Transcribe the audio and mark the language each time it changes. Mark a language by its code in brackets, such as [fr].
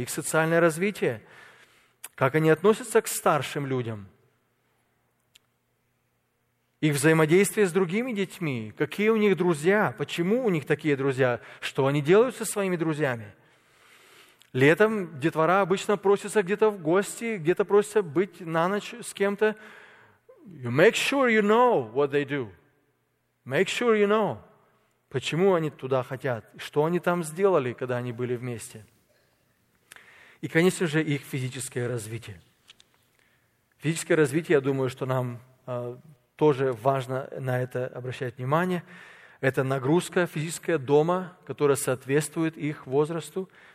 [ru] Их социальное развитие, как они относятся к старшим людям, их взаимодействие с другими детьми, какие у них друзья, почему у них такие друзья, что они делают со своими друзьями. Летом детвора обычно просится где-то в гости, где-то просится быть на ночь с кем-то. [en] You make sure you know what they do. Make sure you know. [ru] Почему они туда хотят? Что они там сделали, когда они были вместе? И, конечно же, их физическое развитие. Физическое развитие, я думаю, что нам тоже важно на это обращать внимание. Это нагрузка физическая дома, которая соответствует их возрасту.